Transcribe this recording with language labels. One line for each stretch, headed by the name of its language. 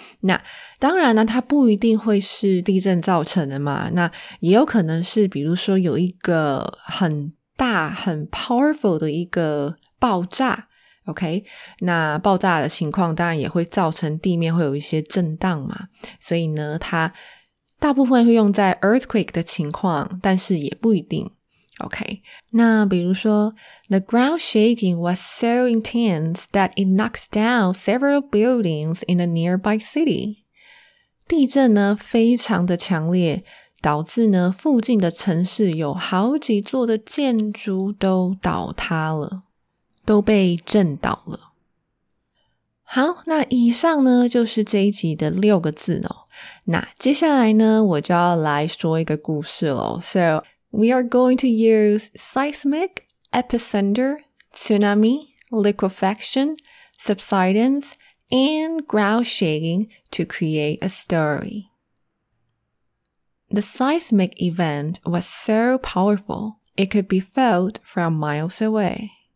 Chinese: 那当然呢，它不一定会是地震造成的嘛，那也有可能是比如说有一个很大很 powerful 的一个爆炸， OK， 那爆炸的情况当然也会造成地面会有一些震荡嘛，所以呢它大部分会用在 earthquake 的情况，但是也不一定。
English: OK，
Chinese: 那比如说
English: The ground shaking was so intense that it knocked down several buildings in a nearby city.
Chinese: 地震呢非常的强烈，导致呢附近的城市有好几座的建筑都倒塌了，都被震倒了。好，那以上呢就是这一集的六个字哦。那接下来呢我就要来说一个故事咯。
English: SoWe are going to use seismic, epicenter, tsunami, liquefaction, subsidence, and ground shaking to create a story. The seismic event was so powerful it could be felt from miles away.